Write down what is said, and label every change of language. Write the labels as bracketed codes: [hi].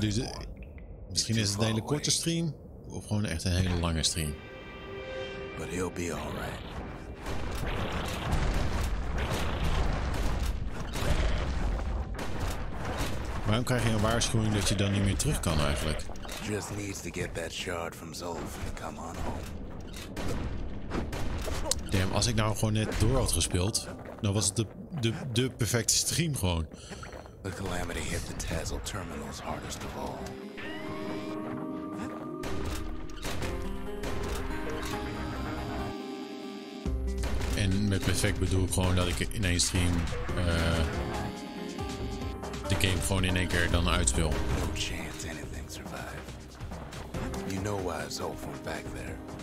[nl] duurt het, misschien is het een hele korte stream. Of gewoon echt een hele lange stream. [en] But he'll be all right. [nl] Waarom krijg je een waarschuwing dat je dan niet meer terug kan eigenlijk? [en] Just needs to get that shard from Zolf and come on home. [nl] Damn, als ik nou gewoon net door had gespeeld, dan was het de perfecte stream gewoon. [en] The calamity hit the Tazzle terminals hardest of all. [nl] En met perfect bedoel ik gewoon dat ik in één stream de game gewoon in één keer dan uitspeel. [en] No chance anything survived. You know why Zolf went back there.